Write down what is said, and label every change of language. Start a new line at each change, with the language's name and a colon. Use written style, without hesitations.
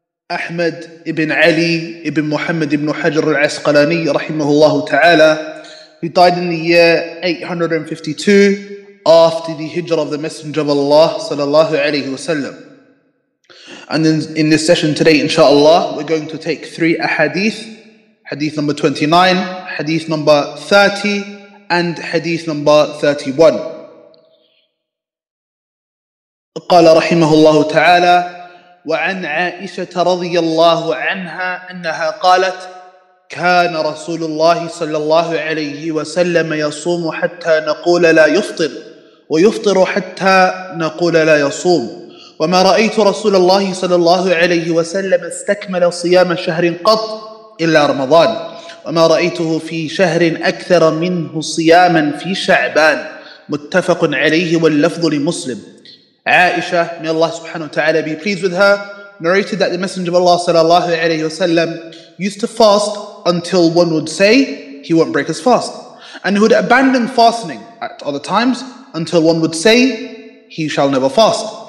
English: Ahmad ibn Ali ibn Muhammad ibn Hajar Al-Asqalani rahimahullahu ta'ala, who died in the year 852 after the Hijrah of the Messenger of Allah sallallahu alayhi wasallam. And in this session today, inshallah, we're going to take three ahadith: Hadith number 29, Hadith number 30, and Hadith number 31.
Arabic: قال رحمه الله تعالى وعن عائشة رضي الله عنها أنها قالت كان رسول الله صلى الله عليه وسلم يصوم حتى نقول لا يفطر ويفطر حتى نقول لا يصوم وما رأيت رسول الله صلى الله عليه وسلم استكمل صيام شهر قط إلا رمضان وما رأيته في شهر أكثر منه صياما في شعبان متفق عليه واللفظ لمسلم.
English: Aisha, may Allah subhanahu wa ta'ala be pleased with her, narrated that the Messenger of Allah sallallahu alayhi wa sallam used to fast until one would say he won't break his fast, and he would abandon fasting at other times until one would say he shall never fast.